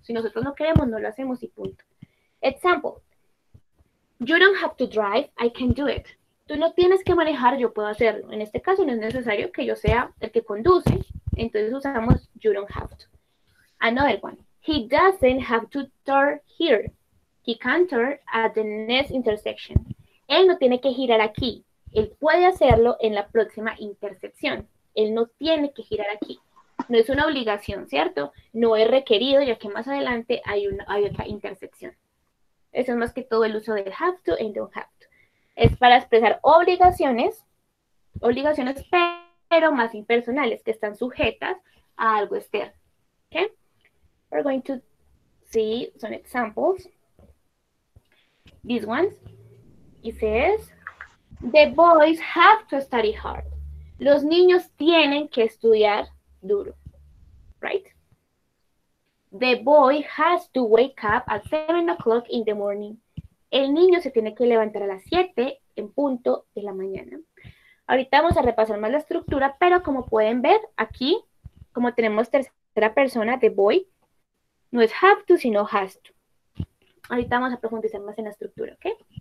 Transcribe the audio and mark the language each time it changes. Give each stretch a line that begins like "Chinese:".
Spanish: Si nosotros no queremos, no lo hacemos y punto.
English: Example, you don't have to drive, I can do it.
Spanish: Tú no tienes que manejar, yo puedo hacerlo. En este caso no es necesario que yo sea el que conduce, entonces usamos
English: you don't have to. Another one. He doesn't have to turn here. He can turn at the next intersection.
Spanish: Él no tiene que girar aquí. Él puede hacerlo en la próxima intersección. Él no tiene que girar aquí. No es una obligación, ¿cierto? No es requerido, ya que más adelante hay otra intersección. Eso es más que todo el uso del have to and don't have to. Es para expresar obligaciones, pero más impersonales, que están sujetas a algo externo.
English: ¿Ok? We're going to see some examples. These ones. It says, the boys have to study hard.
Spanish: Los niños tienen que estudiar duro. Right?
English: The boy has to wake up at 7 o'clock in the morning.
Spanish: El niño se tiene que levantar a las 7 en punto de la mañana. Ahorita vamos a repasar más la estructura, pero como pueden ver aquí, como tenemos tercera persona, the boy, no es have to, sino has to. Ahorita vamos a profundizar más en la estructura, ¿ok?